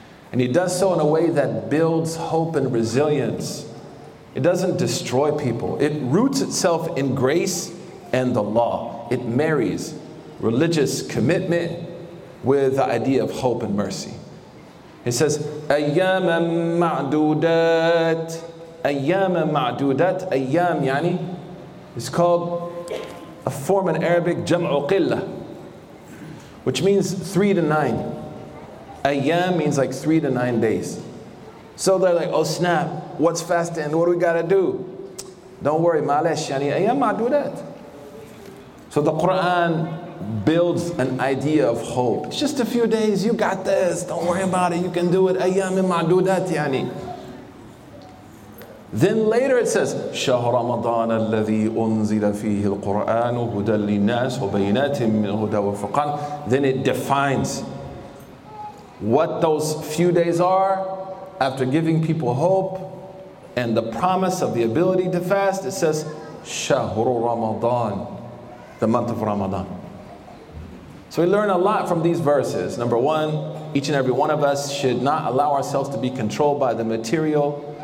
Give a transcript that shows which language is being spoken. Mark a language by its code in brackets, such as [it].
[en] And He does so in a way that builds hope and resilience. It doesn't destroy people. It roots itself in grace and the law. It marries religious commitment with the idea of hope and mercy. It says, [ar] أَيَّامًا مَعْدُودَاتْ أَيَّامًا مَعْدُودَاتْ أَيَّام يعني. [en] It's called a form in Arabic, jam'u qillah, which means 3 to 9. Ayyam means like 3 to 9 days. So they're like, oh snap, what's fasting? What do we gotta do? Don't worry, ma'alesh, yani ayyam ma'dudat. So the Quran builds an idea of hope. It's just a few days, you got this, don't worry about it, you can do it. Ayyam ma'dudat, yani. Then later it says, [ar] شهر رمضان الذي أنزل فيه القرآن هدى للناس وبينات من هدى وفرقان. [en] Then it defines what those few days are after giving people hope and the promise of the ability to fast. It says, [ar] شهر رمضان, [en] the month of Ramadan. So we learn a lot from these verses. Number one, each and every one of us should not allow ourselves to be controlled by the material.